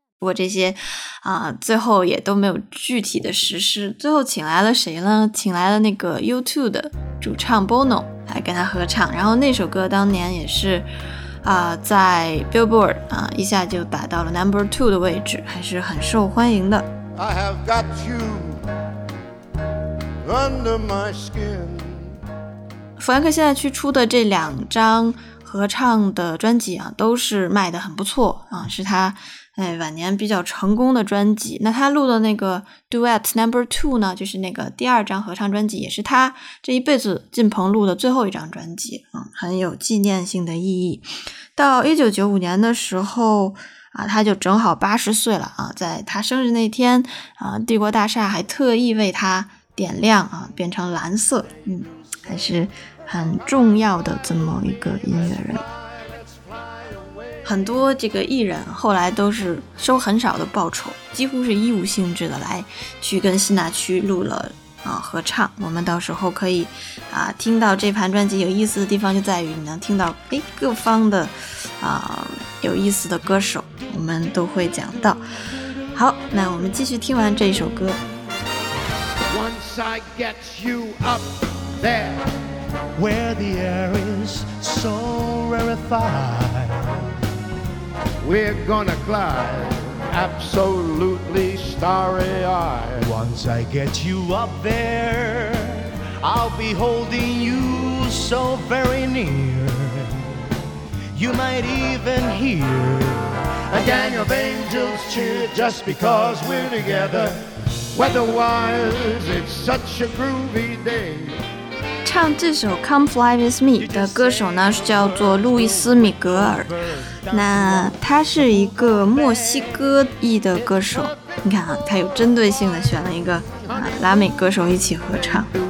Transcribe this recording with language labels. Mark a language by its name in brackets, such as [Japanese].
[Chinese] 不过这些最后也都没有具体的实施。最后请来了谁呢？请来了那个 U2 的主唱 Bono 来跟他合唱。然后那首歌当年也是在 Billboard 一下就打到了 number 2的位置，还是很受欢迎的。 [English] I have got you under my skin。 [Chinese] 弗兰克现在去出的这两张合唱的专辑都是卖得很不错是他晚年比较成功的专辑。那他录的那个 Duet No. 2呢，就是那个第二张合唱专辑，也是他这一辈子进棚录的最后一张专辑很有纪念性的意义。到1995年的时候他就正好80岁了在他生日那天帝国大厦还特意为他点亮变成蓝色还是很重要的这么一个音乐人。很多这个艺人后来都是收很少的报酬，几乎是义务性质的来去跟辛纳区录了合唱。我们到时候可以听到这盘专辑有意思的地方就在于你能听到各方的有意思的歌手，我们都会讲到。好，那我们继续听完这一首歌。 [English] Once I get you up there where the air is so rarefied,We're gonna glide, absolutely starry-eyed. Once I get you up there, I'll be holding you so very near. You might even hear a gang of angels cheer just because we're together. Weather-wise, it's such a groovy day. [Chinese] 唱这首 Come Fly With Me 的歌手呢是叫做路易斯米格尔，那他是一个墨西哥裔的歌手。你看他有针对性的选了一个拉美歌手一起合唱。